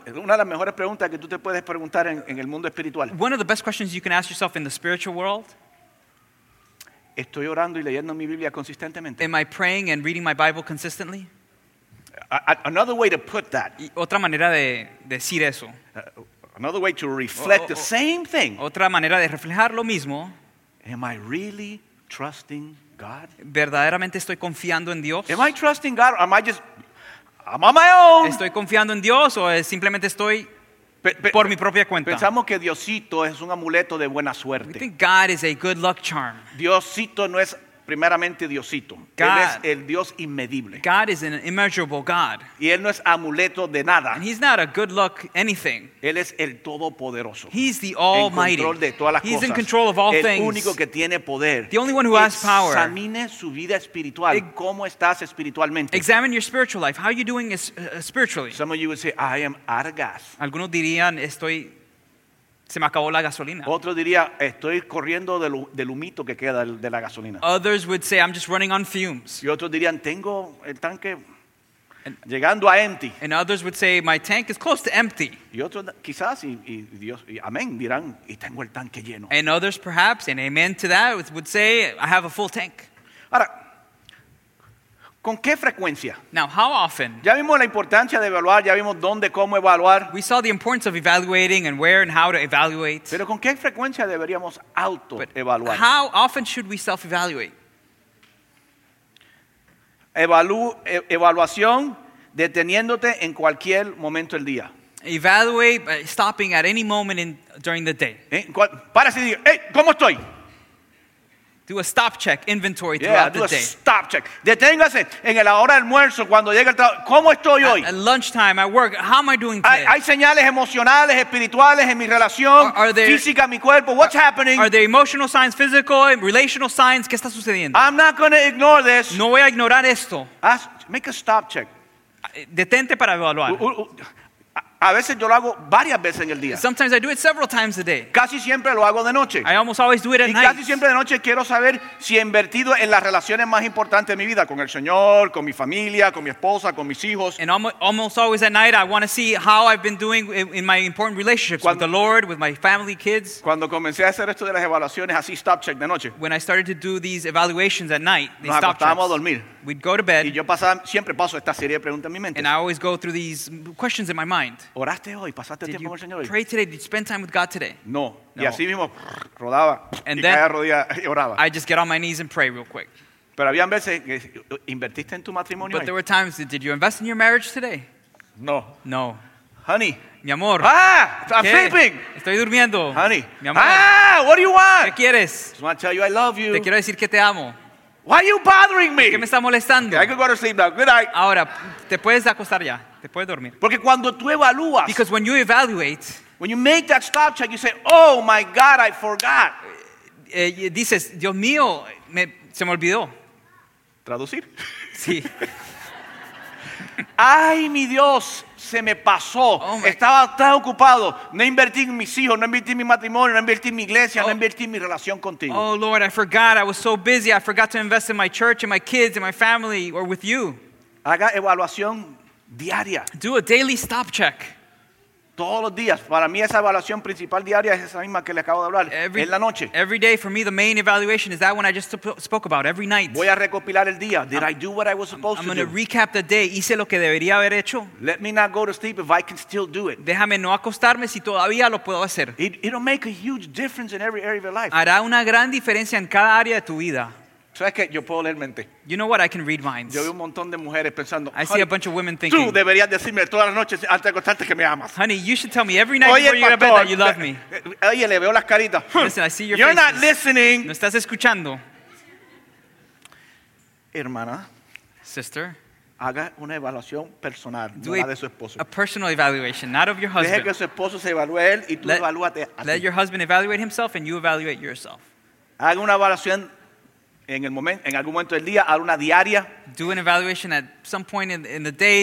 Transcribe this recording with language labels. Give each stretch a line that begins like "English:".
Spanish: Una de las mejores preguntas que tú te puedes preguntar en el mundo espiritual.
English: One of the best questions you can ask yourself in the spiritual world.
Spanish: ¿Estoy orando y leyendo mi Biblia consistentemente?
English: Am I praying and reading my Bible consistently? Another way to put that.
Spanish: Otra manera de decir eso.
English: Another way to reflect the same thing.
Spanish: Otra manera de reflejar lo mismo.
English: Am I really trusting God?
Spanish: ¿Verdaderamente estoy confiando en Dios?
English: Am I trusting God or am I just I'm on my own?
Spanish: ¿Estoy confiando en Dios o simplemente estoy por mi propia cuenta? Pensamos que Diosito es un amuleto de buena suerte.
English: We think God is a good luck charm.
Spanish: Diosito no es primeramente Diosito.
English: God,
Spanish: él es el Dios inmedible.
English: God is an immeasurable God.
Spanish: Y él no es amuleto de nada.
English: And he's not a good luck anything.
Spanish: Él es el todopoderoso.
English: He's the almighty.
Spanish: En control de todas las
English: he's
Spanish: cosas.
English: In control of all
Spanish: el
English: things.
Spanish: El único que tiene poder.
English: The only one who has power.
Spanish: Examine su vida espiritual. ¿Cómo estás espiritualmente?
English: Examine your spiritual life. How are you doing spiritually? Some of you would say, I am out of gas.
Spanish: Algunos dirían, estoy se me acabó la gasolina. Otro diría, estoy corriendo del humito que queda de la gasolina.
English: Others would say, I'm just running on fumes.
Spanish: Y otros dirían, tengo el tanque llegando a empty.
English: And others would say, my tank is close to empty.
Spanish: Y otros quizás, y Dios, y amén, dirán, y tengo el tanque lleno.
English: And others perhaps, and amen to that, would say, I have a full tank.
Spanish: Ahora, ¿con qué frecuencia?
English: Now, how often?
Spanish: Ya vimos la importancia de evaluar, ya vimos dónde, cómo evaluar.
English: We saw the importance of evaluating and where and how to evaluate.
Spanish: Pero ¿con qué frecuencia deberíamos auto-evaluar?
English: How often should we self-evaluate?
Spanish: Evaluación deteniéndote en cualquier momento del día.
English: Evaluate by stopping at any moment in during the day.
Spanish: Para si digo, hey, ¿cómo estoy?
English: Do a stop check inventory throughout the day. Yeah, do a stop check.
Spanish: Deténgase en la hora de almuerzo cuando llega el trabajo. ¿Cómo estoy hoy?
English: At lunchtime, at work, how am I doing today?
Spanish: Hay señales emocionales, espirituales en mi relación, física, mi cuerpo.
English: What's happening? Are there emotional signs, physical, relational signs?
Spanish: ¿Qué está sucediendo?
English: I'm not going to ignore this.
Spanish: No voy a ignorar esto.
English: Make a stop check.
Spanish: Detente para evaluar. A veces yo lo hago varias veces en el día.
English: Sometimes I do it several times a day.
Spanish: Casi siempre lo hago de noche.
English: I almost always do it at night.
Spanish: Y casi siempre de noche quiero saber si he invertido en las relaciones más importantes de mi vida, con el Señor, con mi familia, con mi esposa, con mis hijos.
English: And almost always at night I want to see how I've been doing in my important relationships with the Lord, with my family, kids.
Spanish: Cuando comencé a hacer esto de las evaluaciones, así stop check de noche.
English: When I started to do these evaluations at night, they
Spanish: stop checks. Nos acostábamos a dormir.
English: We'd go to bed.
Spanish: Y yo pasaba, siempre paso esta serie de preguntas en mi mente.
English: And I always go through these questions in my mind.
Spanish: ¿Oraste hoy? ¿Pasaste tiempo con el Señor hoy?
English: Pray today? Did you spend time with God today?
Spanish: No. Y así mismo rodaba
English: and
Spanish: y caía rodilla y oraba.
English: I just get on my knees and pray real quick.
Spanish: Pero había veces que invertiste en tu matrimonio.
English: But
Spanish: hoy.
English: There were times that did you invest in your marriage today?
Spanish: No.
English: No. Honey.
Spanish: Mi amor.
English: Ah, I'm sleeping.
Spanish: Estoy durmiendo.
English: Honey.
Spanish: Mi amor.
English: Ah, what do you want?
Spanish: ¿Qué quieres?
English: I just want to tell you I love you.
Spanish: Te quiero decir que te amo.
English: Why are you bothering me?
Spanish: ¿Qué me está molestando?
English: Okay, I can go to sleep now. Good night.
Spanish: Ahora, te puedes acostar ya. Te puedes dormir. Porque cuando tú evalúas,
English: because when you evaluate, when you make that stop check, you say, oh my God, I forgot.
Spanish: Dices, Dios mío, se me olvidó. ¿Traducir? Sí. Ay, mi Dios, se me pasó.
English: Oh,
Spanish: estaba tan ocupado. No invertí en mis hijos, no invertí en mi matrimonio, no invertí en mi iglesia, no invertí en mi relación contigo.
English: Oh, Lord, I forgot. I was so busy. I forgot to invest in my church, in my kids, in my family, or with you.
Spanish: Haga evaluación diaria.
English: Do a daily stop check.
Spanish: Todos los días. Para mí esa evaluación principal diaria es esa misma que le acabo de hablar. En la noche.
English: Every day for me the main evaluation is that one I just spoke about. Every night.
Spanish: Voy a recopilar el día.
English: Did I do what I was supposed I'm to do? I'm going to recap the day.
Spanish: ¿Hice lo que debería haber hecho?
English: Let me not go to sleep if I can still do it.
Spanish: Déjame no acostarme si todavía lo puedo hacer.
English: It'll make a huge difference in every area of your life.
Spanish: Hará una gran diferencia en cada área de tu vida. ¿Sabes qué? Yo puedo leer mente.
English: You know what? I can read minds.
Spanish: Yo veo un montón de mujeres pensando,
English: I see a bunch of women thinking,
Spanish: tú deberías decirme todas las noches antes de acostarte que me amas.
English: Honey, you should tell me every night before you go to bed that you love me.
Spanish: Oye, le veo las caritas.
English: Listen, I see your You're faces. Not listening.
Spanish: No estás escuchando. Hermana.
English: Sister.
Spanish: Haga una evaluación personal,
English: do
Spanish: no la de su esposo.
English: A personal evaluation, not of your husband.
Spanish: Deje que su esposo se evalúe él y tú evalúate a ti.
English: Let your husband evaluate himself and you evaluate yourself.
Spanish: Haga una evaluación en algún momento del día, haz una diaria.
English: Do an evaluation at some point in the day.